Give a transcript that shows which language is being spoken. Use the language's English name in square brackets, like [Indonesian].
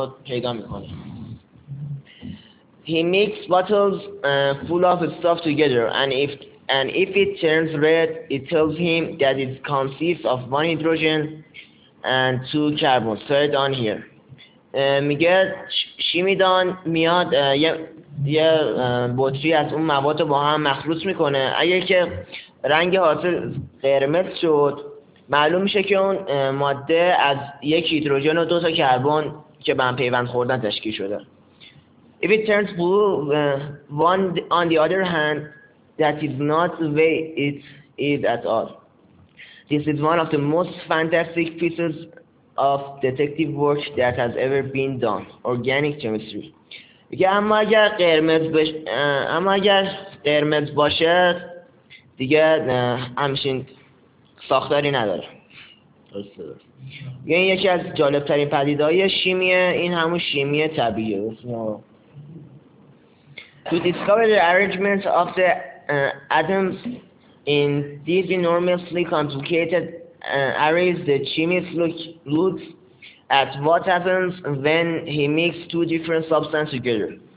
[English] He makes bottles full of stuff together, and if it turns red, it tells him that it consists of one hydrogen and two carbon. So it on here. [Persian] میگه شیمیدان میاد یه بطری از اون مواد رو با هم مخلوط میکنه. اگر که رنگ حاصل قرمز شد معلوم میشه که اون ماده از یک هیدروژن و دو تا کربن که به هم پیوند خوردن تشکیل شده. [English] If it turns blue one on the other hand that is not the way it is at all. This is one of the most fantastic pieces of detective work that has ever been done. Organic chemistry. [Persian] دیگه اما اگر قرمز باشه دیگه همشین ساختاری نداره. درست. یعنی یکی از جالب‌ترین پدیده‌های شیمی این همون شیمی طبیعیه. [English] To discover the arrangement of the atoms in these enormously complicated arrays, the chemist looks at what happens when he mixes two different substances together.